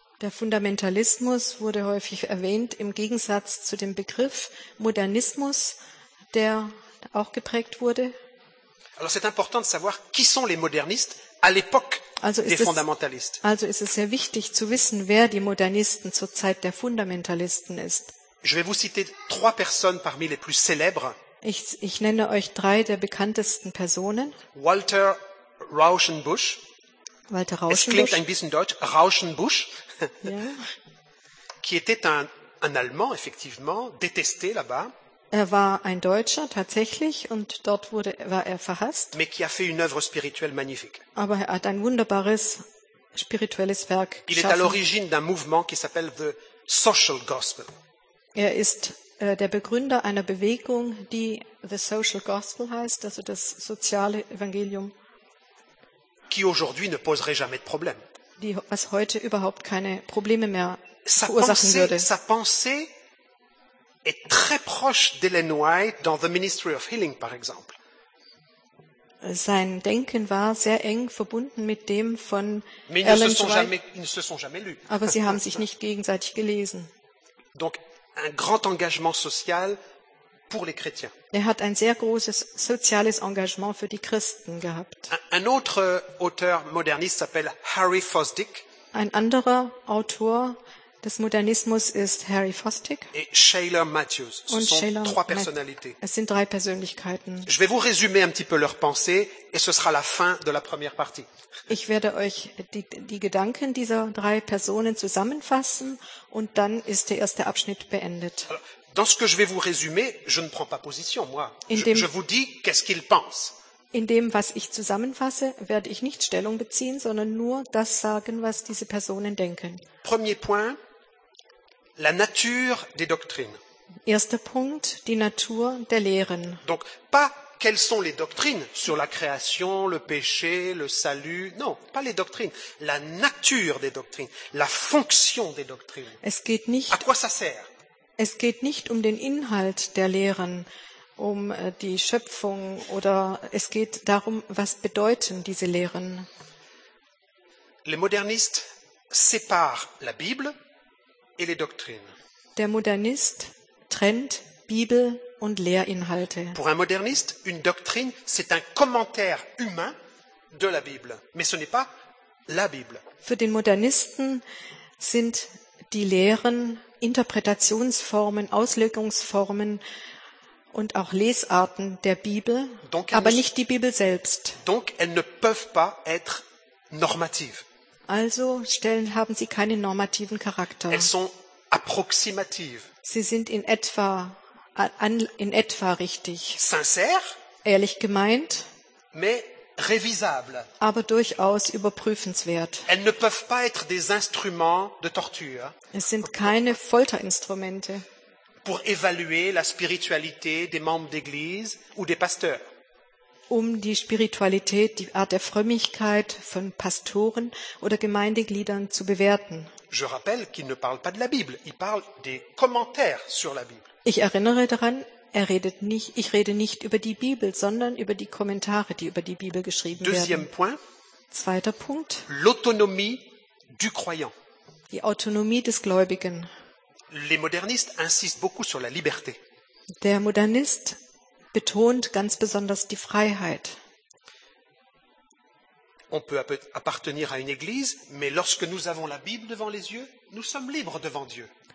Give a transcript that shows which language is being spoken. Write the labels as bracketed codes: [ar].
[de] Der Fundamentalismus wurde häufig erwähnt im Gegensatz zu dem Begriff Modernismus, der auch geprägt wurde. [fr] Alors c'est important de savoir qui sont les modernistes à l'époque des fondamentalistes. [de] Also ist es sehr wichtig zu wissen, wer die Modernisten zur Zeit der Fundamentalisten ist. [fr] Je vais vous citer trois personnes parmi les plus célèbres. [de] Ich nenne euch drei der bekanntesten Personen. [fr] Walter Rauschenbusch. [de] Walter Rauschenbusch. Es klingt ein bisschen deutsch. Rauschenbusch. Ja. [fr] Qui était un Allemand, effectivement, détesté là-bas. [de] Er war ein Deutscher, tatsächlich, und dort war er verhasst. [fr] Mais qui a fait une œuvre spirituelle magnifique. [de] Aber er hat ein wunderbares spirituelles Werk geschaffen. [fr] Il est à l'origine d'un mouvement qui s'appelle The Social Gospel. [de] Er ist der Begründer einer Bewegung, die The Social Gospel heißt, also das soziale Evangelium, [fr] qui aujourd'hui ne poserait jamais de problème. [de] Was heute überhaupt keine Probleme mehr verursachen würde. [fr] Sa pensée est très proche d'Ellen White dans The Ministry of Healing, par exemple. [de] Sein Denken war sehr eng verbunden mit dem von Ellen White. [fr] Mais ils ne se sont jamais lus. [de] Aber sie haben sich nicht gegenseitig gelesen. [fr] Donc, un grand engagement social pour les chrétiens. [de] Er hat ein sehr großes soziales Engagement für die Christen gehabt. [fr] Un autre auteur moderniste s'appelle Harry Fosdick. [de] Ein anderer Autor des Modernismus ist Harry Fosdick. [fr] Et Shailer Matthews. [de] Und [fr] ce sont trois personnalités. [de] Es sind drei Persönlichkeiten. [fr] Je vais vous résumer un petit peu leurs pensées et ce sera la fin de la première partie. [de] Ich werde euch die Gedanken dieser drei Personen zusammenfassen und dann ist der erste Abschnitt beendet. [fr] Dans ce que je vais vous résumer, je ne prends pas position, moi. Je vous dis qu'est-ce qu'ils pensent. [de] In dem, was ich zusammenfasse, werde ich nicht Stellung beziehen, sondern nur das sagen, was diese Personen denken. [fr] Premier point, la nature des doctrines. [de] Erster Punkt, die Natur der Lehren. [fr] Donc, pas quelles sont les doctrines sur la création, le péché, le salut. Non, pas les doctrines. La nature des doctrines, la fonction des doctrines. [de] Es geht nicht. [fr] À quoi ça sert? [de] Es geht nicht um den Inhalt der Lehren, um die Schöpfung oder es geht darum, was bedeuten diese Lehren. [fr] Les modernistes séparent la Bible et les doctrines. [de] Der Modernist trennt Bibel und Lehrinhalte. [fr] Pour un moderniste, une doctrine, c'est un commentaire humain de la Bible, mais ce n'est pas la Bible. [de] Für den Modernisten sind die Lehren Interpretationsformen, Auslegungsformen und auch Lesarten der Bibel, [fr] donc [de] aber nicht die Bibel selbst. [fr] Donc elles ne peuvent pas être normatives. [de] Also haben sie keinen normativen Charakter. [fr] Elles sont approximatives. [de] Sie sind in etwa richtig. [fr] Sincère, [de] ehrlich gemeint, [fr] mais révisable. [de] Aber durchaus überprüfenswert. [fr] Elles ne peuvent pas être des instruments de torture. [de] Es sind keine Folterinstrumente. [fr] Pour évaluer la spiritualité des membres d'église ou des pasteurs. [de] Um die Spiritualität, die Art der Frömmigkeit von Pastoren oder Gemeindegliedern zu bewerten. [fr] Je rappelle qu'il ne parle pas de la Bible, il parle des commentaires sur la Bible. [de] Ich erinnere daran, ich rede nicht über die Bibel, sondern über die Kommentare, die über die Bibel geschrieben [fr] Deuxième [de] werden. [fr] Point, [de] zweiter Punkt. [fr] L'autonomie du croyant. [de] Die Autonomie des Gläubigen. [fr] Les modernistes insistent beaucoup sur la liberté. [de] Der Modernist betont ganz besonders die Freiheit. [fr] On peut appartenir à une église, mais lorsque nous avons la Bible devant les yeux, nous sommes libres devant Dieu.